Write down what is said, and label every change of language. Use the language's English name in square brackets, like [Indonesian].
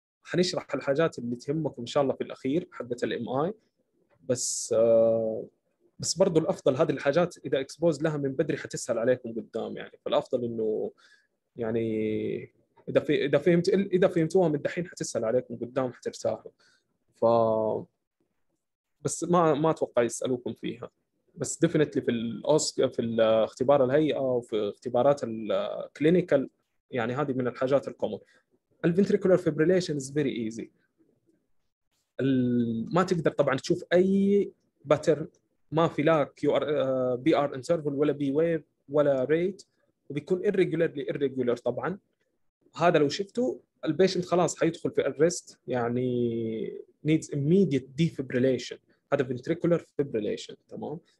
[Arabic] هنشرح الحاجات اللي تهمكم إن شاء الله في الأخير حبة الـ MI، بس برضو الأفضل هذه الحاجات إذا إكسبوز لها من بدري حتسهل عليكم قدام، يعني فالأفضل إنه يعني إذا فهمتوها من الحين حتسهل عليكم قدام حترتاحوا. بس ما أتوقع يسألوكم فيها، بس ديفينتلي في الأوسكار في اختبار الهيئة وفي اختبارات الكلينيكال يعني هذه من الحاجات الكومون. [English] الventricular fibrillation is very easy. [Arabic] ما تقدر طبعا تشوف اي pattern، ما في لا BR interval ولا B wave ولا rate، وبيكون irregular طبعا. هذا لو شفته البيشنت خلاص هيدخل في arrest، يعني [English] needs immediate defibrillation، [Arabic] هذا ventricular fibrillation تمام.